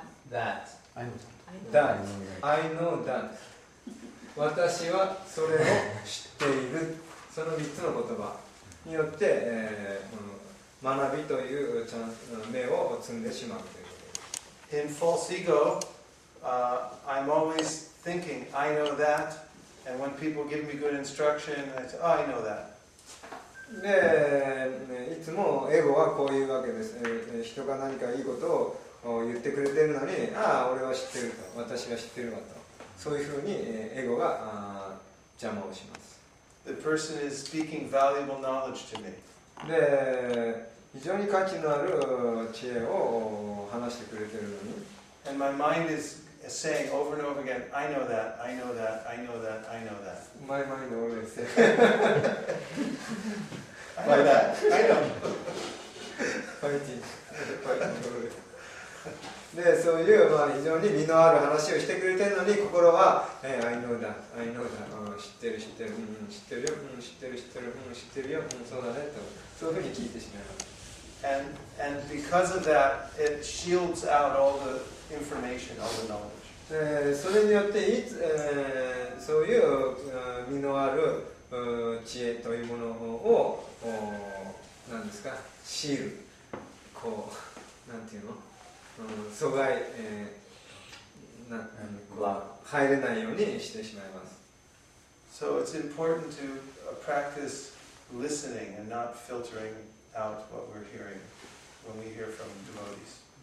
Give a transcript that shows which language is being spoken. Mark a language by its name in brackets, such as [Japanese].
[English] That. I know that. [Japanese] 私はそれを知っている。その3つの言葉によって、学びという目を積んでしまうということです。 [English] In false ego, I'm always thinking, I know that. And when people give me good instruction, I say, oh, I know that. [Japanese] で、いつもエゴはこういうわけです。人が何かいいことを言ってくれてるのに、ああ、俺は知ってると、私は知ってるわと、そういうふうにエゴが邪魔をします。 [English] The person is speaking valuable knowledge to me. [Japanese] で、非常に価値のある知恵を話してくれてるのに。 [English] And my mind is saying over and over again, I know that, I know that, I know that, I know that. My mind always says, by that, I know. Fighting. Fighting always. [Japanese] で、そういう、まあ、非常に身のある話をしてくれてるのに心は、 [English] I know that, I know that、 [Japanese] 知ってる知ってる、うん、知ってるよ、うん、知ってる知ってる、うん、知ってるよ、うん、そうだねとそういうふうに聞いてしまいます [English] and because of that, it shields out all the information, all the knowledge [Japanese] それによっていつ、そういう身のある知恵というものを何ですか、シールこう、なんていうの阻害、入れないようにしてしまいます。 [English] So it's important to practice listening and not filtering out what we're hearing when we hear from devotees.